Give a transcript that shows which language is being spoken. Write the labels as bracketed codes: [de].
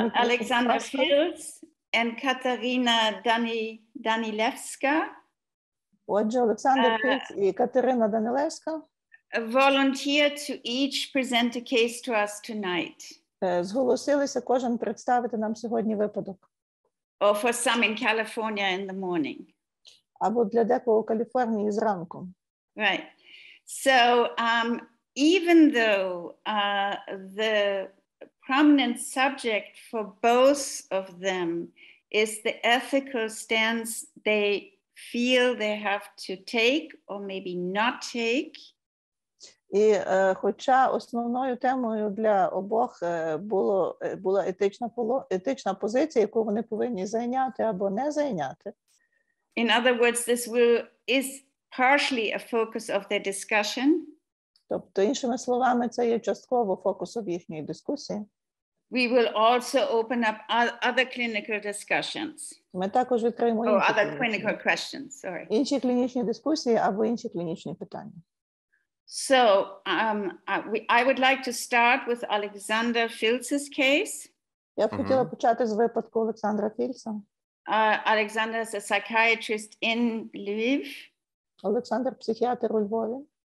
[en] Oleksandr Filts and Katarina Danilevska. [uk] Отже, Oleksandr Filts і Катерина Данилевська. [en] Volunteer to each present a case to us tonight. [uk] Зголосилися кожен представити нам сьогодні випадок. [en] Or for some in California in the morning. [uk] Або для декого у Каліфорнії зранку. [en] Right. So, even though the prominent subject for both of them is the ethical stance they feel they have to take or maybe not take. [uk] І хоча основною темою для обох була етична позиція, яку вони повинні зайняти або не зайняти. [en] In other words, this will is partially a focus of their discussion. [uk] Тобто, іншими словами, це є частково фокусом їхньої дискусії. [en] We will also open up other clinical discussions. [uk] Ми також відкриємо інші. [en] Other clinical questions, sorry. [uk] Інші клінічні дискусії або інші клінічні питання. [en] So, I would like to start with Oleksandr Filts' case. [uk] Я б хотіла почати з випадку Олександра Філса. [en] Oleksandr is a psychiatrist in Lviv. [uk] Олександр психіатр у Львові.